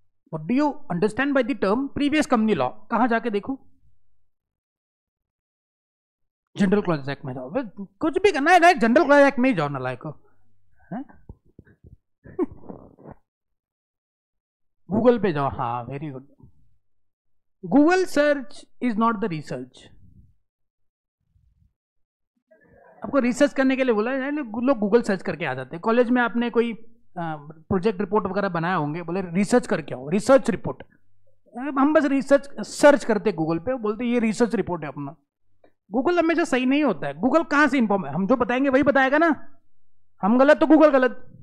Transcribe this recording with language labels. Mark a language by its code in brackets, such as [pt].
[en] What do you understand by the term previous company law? [hi] कहां जाके देखो? General Clause Act में जाओ। कुछ भी करना है General Clause Act में ही जाओ ना लायक। Google पे जाओ। [en] हाँ, very good। Google search is not the research। [hi] आपको रिसर्च करने के लिए बोला है, लोग गूगल सर्च करके आ जाते हैं। कॉलेज में आपने कोई प्रोजेक्ट रिपोर्ट वगैरह बनाया होंगे, बोले रिसर्च करके आओ, रिसर्च रिपोर्ट। हम बस रिसर्च सर्च करते गूगल पे, बोलते ये रिसर्च रिपोर्ट है अपना। गूगल हमेशा सही नहीं होता है। गूगल कहां से इन्फॉर्म है? हम जो बताएंगे वही बताएगा ना, हम गलत तो गूगल गलत।